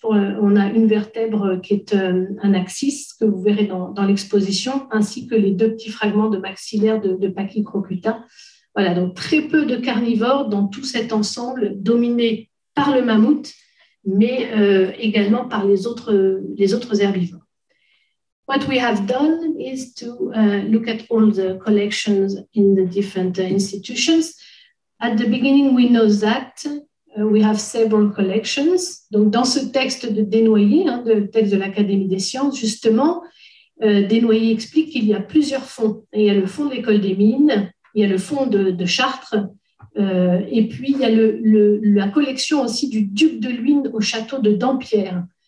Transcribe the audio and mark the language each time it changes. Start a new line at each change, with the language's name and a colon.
French: On a une vertèbre qui est un axis, que vous verrez dans l'exposition, ainsi que les deux petits fragments de maxillaire de Pachycrochita. Voilà, donc très peu de carnivores dans tout cet ensemble, dominé par le mammouth, mais également par les autres herbivores.
English: What we have done is to look at all the collections in the different institutions. At the beginning, we know that we have several collections.
French: Donc, dans ce texte de Desnoyers, hein, le texte de l'Académie des sciences, justement, Desnoyers explique qu'il y a plusieurs fonds. Il y a le fonds de l'École des mines, il y a le fonds de Chartres, et puis il y a la collection aussi du duc de Luynes au château de Dampierre.